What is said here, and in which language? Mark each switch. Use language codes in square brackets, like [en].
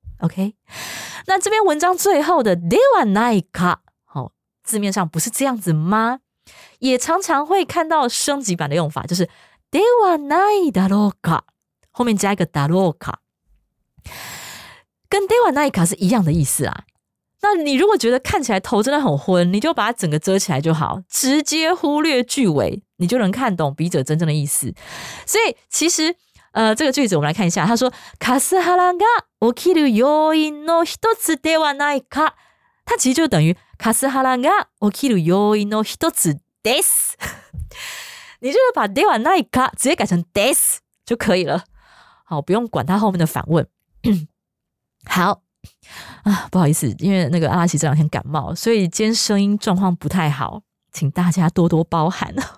[zh] OK， 那这篇文章最后的ではないか、哦、字面上不是这样子吗，也常常会看到升级版的用法，就是 [ja] ではないだろうか， [zh] 后面加一个だろうか，跟ではないか是一样的意思啊。那你如果觉得看起来头真的很昏，你就把它整个遮起来就好，直接忽略句尾，你就能看懂笔者真正的意思。所以其实这个句子我们来看一下，他说 [ja] カスハラが起きる要因の一つではないか， [zh] 它其实就等于 [ja] カスハラが起きる要因の一つです。 [zh] 你就把ではないか直接改成です就可以了，好，不用管他后面的反问。好啊，不好意思，因为那个阿拉西这两天感冒，所以今天声音状况不太好，请大家多多包涵。